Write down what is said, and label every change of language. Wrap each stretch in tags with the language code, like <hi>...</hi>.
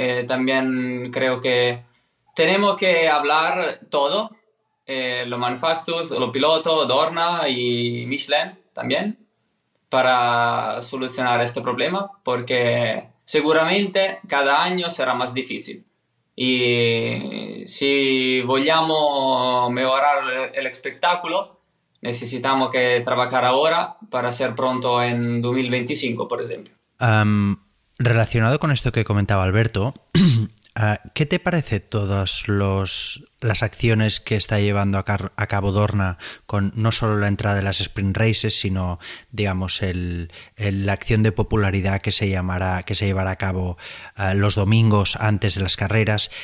<es>También creo que tenemos que hablar todo, los manufacturers, los pilotos, Dorna y Michelin también, para solucionar este problema, porque seguramente cada año será más difícil.</es> <it>Y si vogliamo migliorare l'espettacolo, necessitamo che</it> <es>trabajar</es> <it>ora per essere pronto in 2025, per esempio.</it> <es>Relacionado con esto que comentaba Alberto, ¿qué te parece todas las acciones que está llevando a cabo Dorna con no solo la entrada de las sprint races, sino, digamos, la acción de popularidad que se llevará a cabo los domingos antes de las carreras?</es>